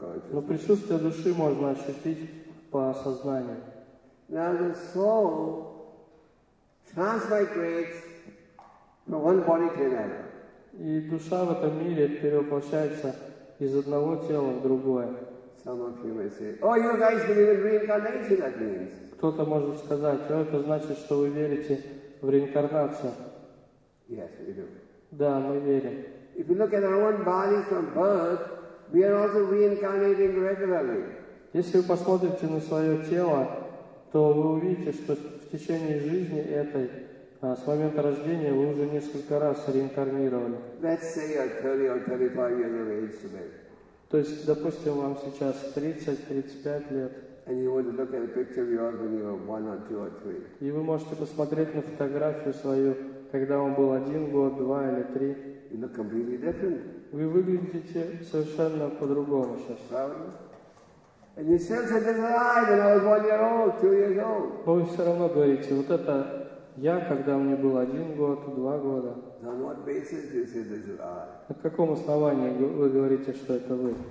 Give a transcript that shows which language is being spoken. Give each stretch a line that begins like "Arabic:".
Russian: Но присутствие души можно ощутить по осознанию.
English: Now the soul transmigrates from one body to another.
Russian: И душа в этом мире перевоплощается из одного тела в другое.
English: Some of you may say, "Oh, you guys believe in reincarnation? That means."
Russian: Кто-то может сказать, это значит, что вы верите в реинкарнацию.
English: Yes, we do.
Russian: Да, мы верим.
English: If you look at our own bodies from birth, we are also reincarnating regularly.
Russian: Если вы посмотрите на свое тело, то вы увидите, что в течение жизни этой, с момента рождения, вы уже несколько раз реинкарнировали.
English: Let's say you're 30 or 35 years of age today.
Russian: То есть, допустим, вам сейчас 30-35 лет.
English: And you want to look at a picture of yours when you were 1 or 2 or 3.
Russian: И вы можете посмотреть на фотографию свою, когда вам был 1 год, 2 или 3.
English: You look completely different.
Russian: Вы выглядите совершенно по-другому сейчас. Правильно?
English: And you still say, "This is I when I was 1 year old, 2 years old."
Russian: Но вы все равно говорите, вот это я, когда мне был 1 год, 2 года.
English: On what basis do you say this is I?
Russian: На каком основании вы говорите, что это вы?